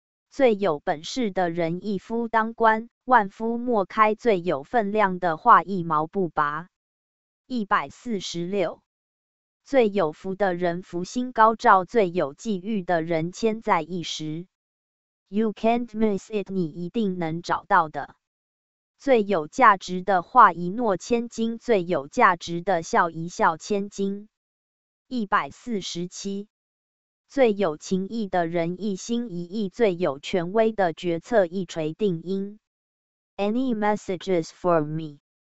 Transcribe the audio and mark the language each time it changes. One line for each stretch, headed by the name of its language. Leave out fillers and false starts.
Chinese: 最有本事的人一夫当关，万夫莫开最有分量的话一毛不拔。 146。最有福的人福星高照，最有际遇的人千载一时。
English: You can't miss it，
Chinese: 你一定能找到的。最有价值的话一诺千金，最有价值的笑一笑千金。 147。最有情义的人一心一意，最有权威的决策一锤定音。
English: Any messages for me？